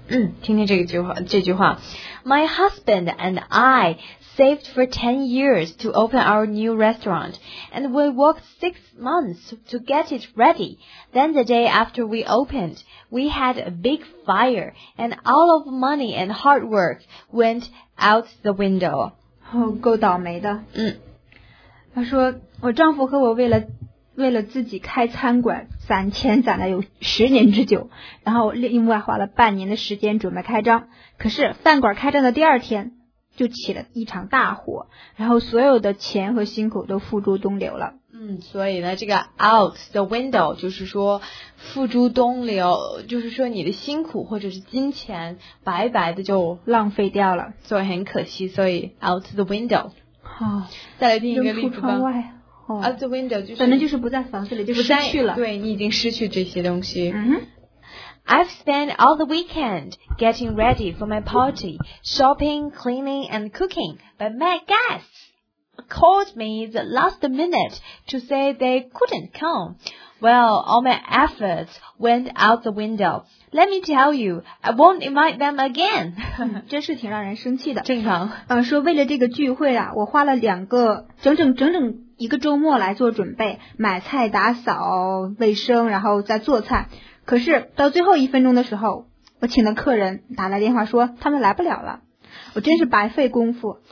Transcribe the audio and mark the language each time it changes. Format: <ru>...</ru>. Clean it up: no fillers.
<zh>听听这个句话，这句话</zh> <en>：My husband and I saved for 10 years to open our new restaurant, and we worked 6 months to get it ready. Then the day after we opened, we had a big fire, and all of money and hard work went out the window.</en> <zh>哦，够倒霉的。他说，我丈夫和我为了自己开餐馆，攒钱攒了有10年之久，然后另外花了半年的时间准备开张。可是饭馆开张的第二天就起了一场大火，然后所有的钱和辛苦都付诸东流了。所以呢，这个 out the window 就是说付诸东流，就是说你的辛苦或者是金钱白白的就浪费掉了，所以很可惜。所以 out the window。好，再来听一个例子吧。Out the window 就是反正就是不在房子里，就是失去了。对，你已经失去这些东西。</zh> <en>I've spent all the weekend getting ready for my party, shopping, cleaning, and cooking, but my guests called me the last minute to say they couldn't come. Well, all my efforts went out the window. Let me tell you, I won't invite them again.</en> <zh>真是挺让人生气的。正常。说为了这个聚会啊，我花了两个整整一个周末来做准备，买菜、打扫卫生，然后再做菜。可是到最后一分钟的时候，我请的客人打来电话说他们来不了了，我真是白费功夫。</zh>